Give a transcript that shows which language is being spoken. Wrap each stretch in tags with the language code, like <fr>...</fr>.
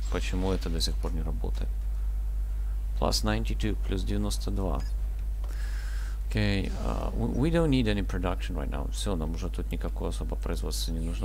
<ru>Почему это до сих пор не работает?</ru> <en>Plus 92,</en> <ru>плюс 92.</ru> <en>Okay, we don't need any production right now.</en> <ru>Все, нам уже тут никакого особо производства не нужно.</ru>